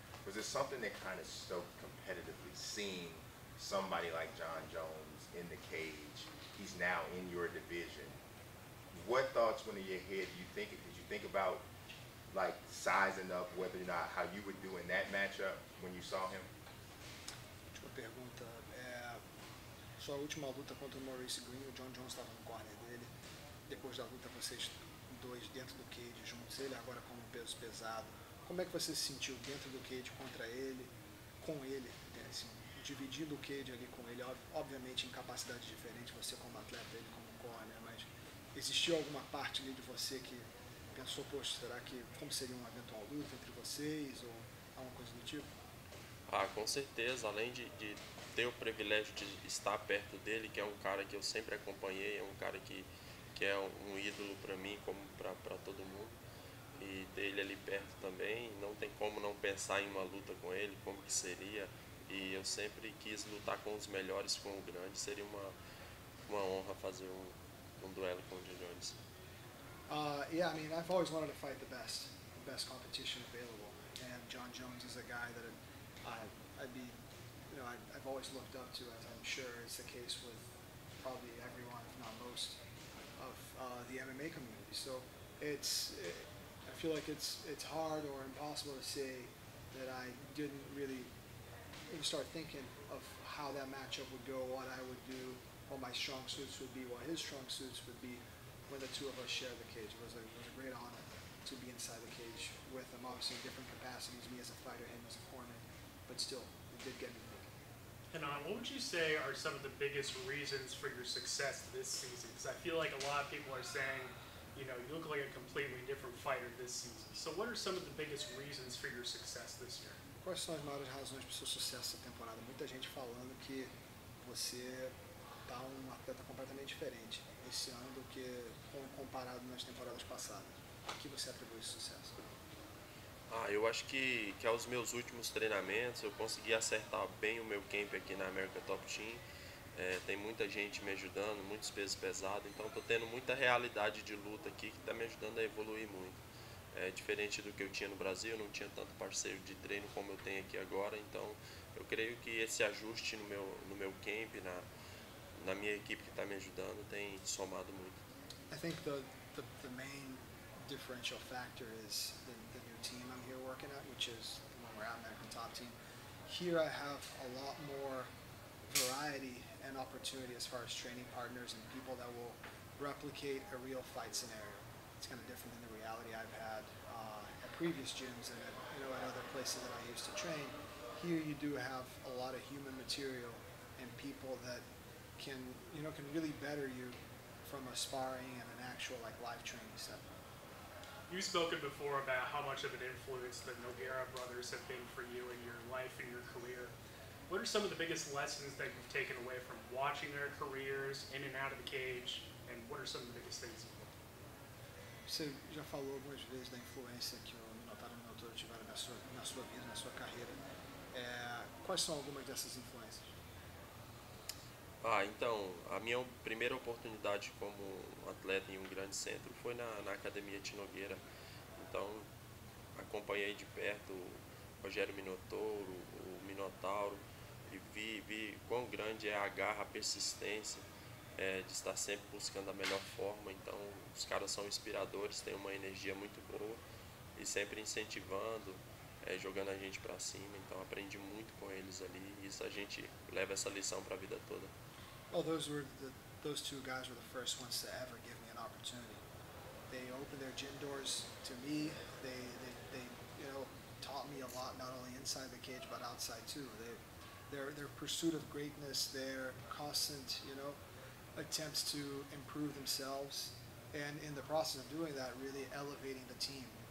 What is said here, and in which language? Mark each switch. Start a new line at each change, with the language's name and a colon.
English: Was there something that kind of stoked competitively seeing somebody like John Jones in the cage? He's now in your division. What thoughts went in your head? Do you think it? Did you think about, like, sizing up whether or not how you would do in that matchup when you saw him?
Portuguese: Boa pergunta. É, sua última luta contra o Maurice Greene, o John Jones estava no corner dele. Depois da luta, vocês dois dentro do cage juntos, ele agora com um peso pesado. Como é que você se sentiu dentro do cage contra ele, com ele? Né? Assim, dividindo o cage ali com ele, obviamente em capacidade diferente, você como atleta, ele como corner, mas existiu alguma parte ali de você que pensou, poxa, será que como seria uma eventual luta entre vocês ou alguma coisa do tipo? Ah, com certeza, além de ter o privilégio de estar perto dele, que é um cara que eu sempre acompanhei, é um cara que é um ídolo para mim, como para todo mundo, e ter ele ali perto também, não tem como não pensar em uma luta com ele, como que seria, e eu sempre quis lutar com os melhores, com o grande, seria uma honra fazer um duelo com o John Jones.
English: Yeah, I mean, I've always wanted to fight the best competition available, and John Jones is a guy that I've always looked up to, as I'm sure is the case with probably everyone, if not most, of the MMA community. So I feel like it's hard or impossible to say that I didn't really even start thinking of how that matchup would go, what I would do, what my strong suits would be, what his strong suits would be when the two of us share the cage. It was a great honor to be inside the cage with him, obviously in different capacities, me as a fighter, him as a corner. But still, it did get me thinking. And what would you say are some of the biggest reasons for your success this season? Because I feel like a lot of people are saying, you know, you look like a completely different fighter this season. So what are some of the biggest reasons for your success this year?
Portuguese: Quais são as maiores razões para o seu sucesso essa temporada? Muita gente falando que você está um atleta completamente diferente esse ano do que comparado nas temporadas passadas. A que você atribui esse sucesso? Ah, eu acho que aos meus últimos treinamentos eu consegui acertar bem o meu camp aqui na America Top Team. É, tem muita gente me ajudando, muitos pesos pesados, então estou tendo muita realidade de luta aqui que está me ajudando a evoluir muito. É diferente do que eu tinha no Brasil, não tinha tanto parceiro de treino como eu tenho aqui agora, então eu creio que esse ajuste no meu camp, na minha equipe que está me ajudando, tem somado muito.
English: I think the main differential factor is the new team I'm here working at, which is the one we're at, American Top Team. Here I have a lot more variety and opportunity as far as training partners and people that will replicate a real fight scenario. It's kind of different than the reality I've had at previous gyms and at, you know, at other places that I used to train. Here you do have a lot of human material and people that can, you know, can really better you from a sparring and an actual like live training setup. You've spoken before about how much of an influence the Nogueira brothers have been for you in your life and your career. What are some of the biggest lessons that you've taken away from watching their careers in and out of the cage, and what are some of the biggest things?
Portuguese: Você já falou algumas vezes da influência que o Minotauro e o Minotauro tiveram na sua vida, na sua carreira. É, quais são algumas dessas influências? Ah, então, a minha primeira oportunidade como atleta em um grande centro foi na Academia de Nogueira. Então, acompanhei de perto o Rogério Minotauro, o Minotauro, e vi quão grande é a garra, a persistência, é, de estar sempre buscando a melhor forma. Então, os caras são inspiradores, têm uma energia muito boa e sempre incentivando. É, jogando a gente para cima, então aprendi muito com eles ali, e isso a gente leva essa lição para a vida toda.
English: Well, those two guys were the first ones to ever give me an opportunity. They opened their gym doors to me. They you know, taught me a lot, not only inside the cage but outside too. Their pursuit of greatness, their constant, you know, attempts to improve themselves, and in the process of doing that, really elevating the team.